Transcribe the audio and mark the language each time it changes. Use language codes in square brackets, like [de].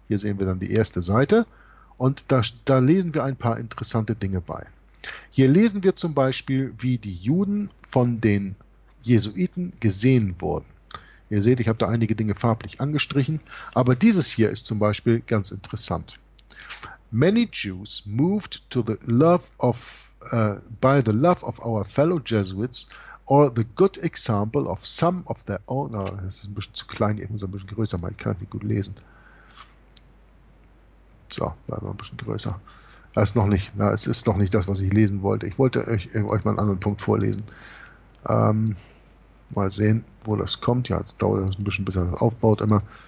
[de] Hier sehen wir dann die erste Seite. Und da lesen wir ein paar interessante Dinge bei. Hier lesen wir zum Beispiel, wie die Juden von den Jesuiten gesehen wurden. Ihr seht, ich habe da einige Dinge farblich angestrichen. Aber dieses hier ist zum Beispiel ganz interessant. [en] Many Jews moved to the love of by the love of our fellow Jesuits or the good example of some of their own. [de] Oh, das ist ein bisschen zu klein, ich muss ein bisschen größer machen, ich kann nicht gut lesen. So, bleiben wir ein bisschen größer. Das ist noch nicht. Ja, es ist noch nicht das, was ich lesen wollte. Ich wollte euch mal einen anderen Punkt vorlesen. Mal sehen, wo das kommt. Ja, es dauert ein bisschen, bis er das aufbaut immer.